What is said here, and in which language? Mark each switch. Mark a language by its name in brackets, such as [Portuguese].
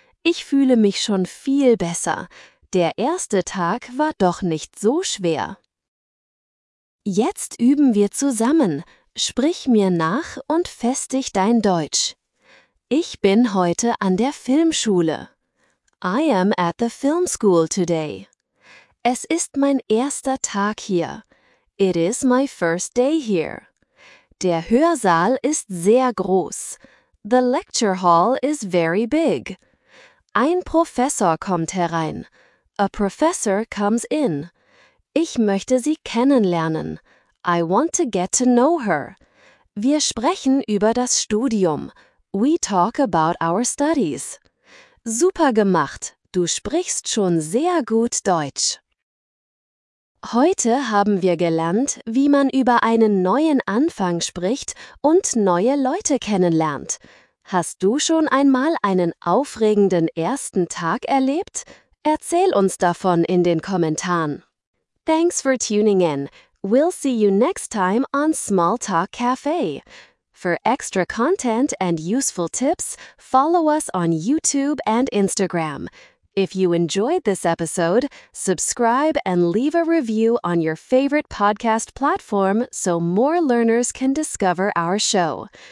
[German] Ich fühle mich schon viel besser. Der erste Tag war doch nicht so schwer. Jetzt üben wir zusammen. Sprich mir nach und festig dein Deutsch. Ich bin heute an der Filmschule. [English] I am at the film school today. [German] Es ist mein erster Tag hier. [English] It is my first day here. [German] Der Hörsaal ist sehr groß. [English] The lecture hall is very big. [German] Ein Professor kommt herein. [English] A professor comes in. [German] Ich möchte sie kennenlernen. [English] I want to get to know her. [German] Wir sprechen über das Studium. [English] We talk about our studies. [German] Super gemacht. Du sprichst schon sehr gut Deutsch. Heute haben wir gelernt, wie man über einen neuen Anfang spricht und neue Leute kennenlernt. Hast du schon einmal einen aufregenden ersten Tag erlebt? Erzähl uns davon in den Kommentaren. [English] Thanks for tuning in. We'll see you next time on Small Talk Cafe. For extra content and useful tips, follow us on YouTube and Instagram. If you enjoyed this episode, subscribe and leave a review on your favorite podcast platform so more learners can discover our show.